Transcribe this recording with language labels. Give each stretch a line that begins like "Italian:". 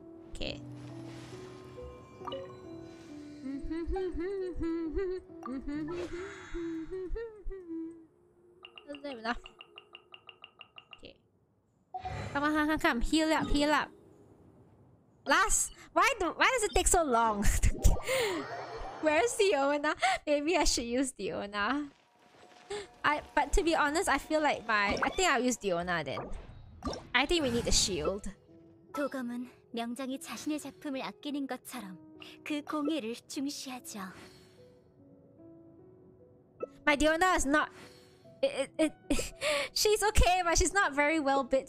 English: Okay. Doesn't have enough. Okay. Come. Heal up. Last. Why does it take so long? Where's Diona? Maybe I should use Diona. But to be honest, I feel like I'll use Diona then. I think we need a shield.
Korean: 도검은 명장이 자신의 작품을 아끼는 것처럼 그 공예를 중시하죠.
English: My Diona is not. It, she's okay, but she's not very well built.